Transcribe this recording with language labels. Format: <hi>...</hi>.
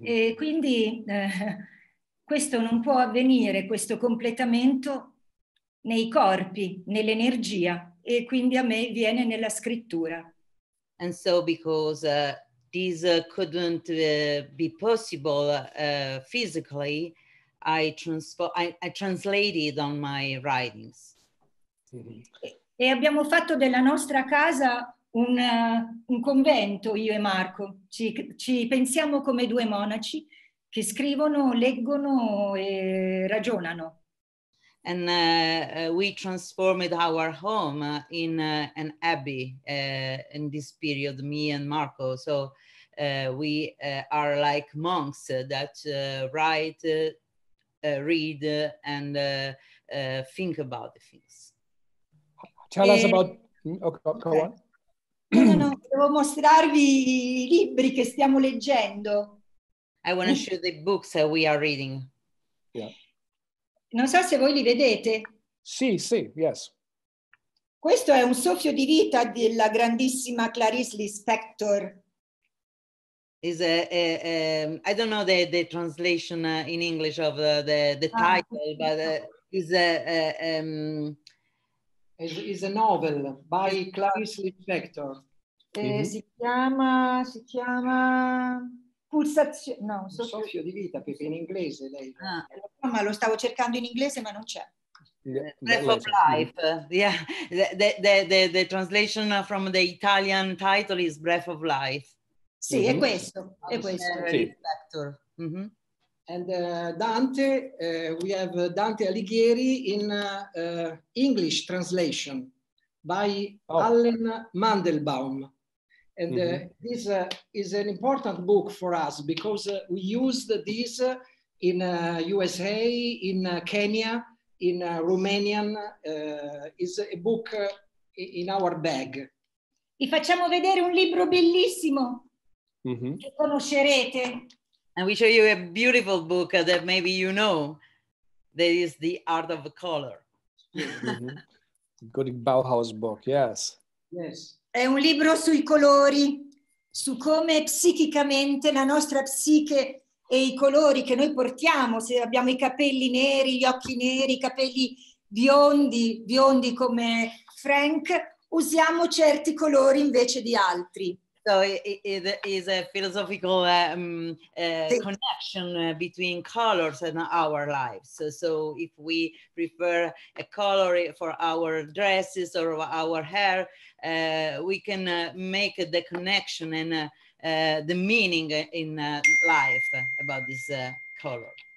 <it>E quindi questo non può avvenire, questo completamento nei corpi, nell'energia, e quindi a me viene nella scrittura.</it> <en>And so because this couldn't be possible physically, I translated on my writings.</en> <it>E abbiamo fatto della nostra casa un convento, io e Marco. Ci pensiamo come due monaci che scrivono, leggono e ragionano.</it> <en>And we transformed our home in an abbey in this period, me and Marco. So we are like monks that write, read, and think about the things. Tell us about... Okay, go on.</en> <it>No, devo mostrarvi i libri che stiamo leggendo.</it> <en>I want to show the books that we are reading. Yeah.</en> <it>Non so se voi li vedete. Sì, yes. Questo è un soffio di vita della grandissima Clarice Lispector.</it> <en>Is I don't know the translation in English of the title, but is a novel by Clarice Lispector.</en> <it>Mm-hmm. Si chiama Pulsazione. No, soffio di vita, perché in inglese lei. Ah. Ma lo stavo cercando in inglese, ma non c'è.</it> <en>Breath of life. Yeah, the translation from the Italian title is Breath of Life.</en> <it>Sì, mm-hmm. è questo. Sì. Mm-hmm.</it> <en>And Dante, we have Dante Alighieri in English translation by Allen Mandelbaum. And mm-hmm. This is an important book for us because we used this in USA, in Kenya, in Romanian. Is a book in our bag.</en> <it>Vi facciamo vedere un libro bellissimo. Mm-hmm. Che conoscerete.</it> <en>And we show you a beautiful book that maybe you know, that is The Art of Color. Mm-hmm. Good Bauhaus book, yes. Yes.</en> <it>È un libro sui colori, su come psichicamente la nostra psiche e i colori che noi portiamo, se abbiamo i capelli neri, gli occhi neri, i capelli biondi come Frank, usiamo certi colori invece di altri.</it> <en>So it is a philosophical connection between colors and our lives. So if we prefer a color for our dresses or our hair, we can make the connection and the meaning in life about this color.</en>